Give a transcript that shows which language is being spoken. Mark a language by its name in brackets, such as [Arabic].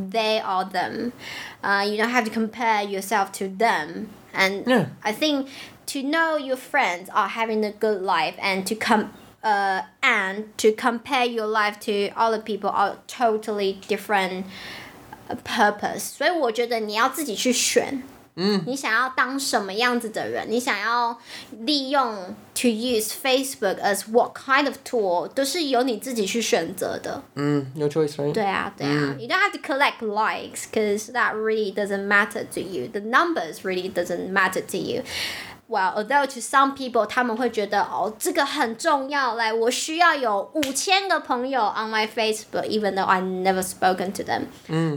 [English] They are them. You don't have to compare yourself to them. And I think to know your friends are having a good life and to compare your life to other people are totally different purpose. [Chinese] 所以我觉得你要自己去选。你想要当什么样子的人？你想要利用 [English] to use Facebook as what kind of tool? [Chinese] 都是由你自己去选择的。 [English] No choice, right? [Chinese] 对啊，对啊。 [English] You don't have to collect likes, because that really doesn't matter to you. The numbers really doesn't matter to you. Well, although to some people, [Chinese] 他们会觉得哦，这个很重要。 [English] Like, [Chinese] 我需要有5000个朋友 [English] on my Facebook, even though I never spoken to them.